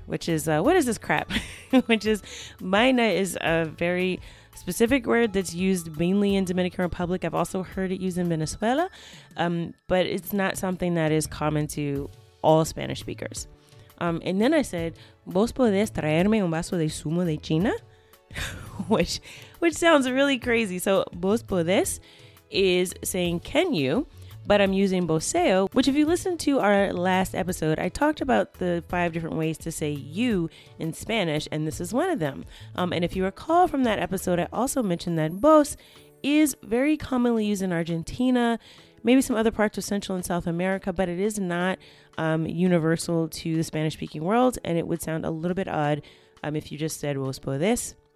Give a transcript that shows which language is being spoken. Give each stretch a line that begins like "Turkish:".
English: Which is, what is this crap? Which is, vaina is a very specific word that's used mainly in Dominican Republic. I've also heard it used in Venezuela, but it's not something that is common to all Spanish speakers. And then I said,
Spanish: ¿vos podés traerme un vaso de zumo de China?
English: which sounds really crazy. So,
Spanish: ¿vos podés?
English: Is saying, can you? But I'm using voseo, which if you listen to our last episode, I talked about the five different ways to say you in Spanish, and this is one of them. And if you recall from that episode, I also mentioned that vos is very commonly used in Argentina, maybe some other parts of Central and South America, but it is not universal to the Spanish-speaking world, and it would sound a little bit odd if you just said
Spanish: vos podés.